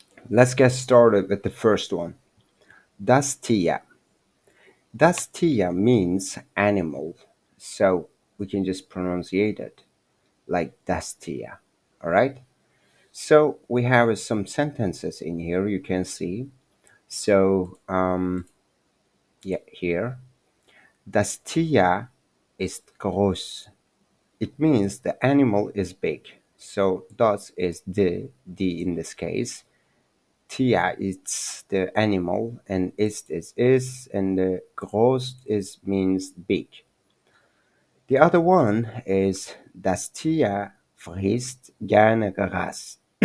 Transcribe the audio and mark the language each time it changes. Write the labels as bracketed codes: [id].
[en] Let's get started with the first one. Das Tier. Das Tier means animal. So we can just pronunciate it like Das Tier. All right. So we have some sentences in here, you can see. So here, [de] das Tier ist groß. [en] It means the animal is big. So [de] das [en] is the in this case. Tier is the animal, and [de] ist [en] is, and the groß is means big. The other one is [de] das Tier frisst gerne Gras.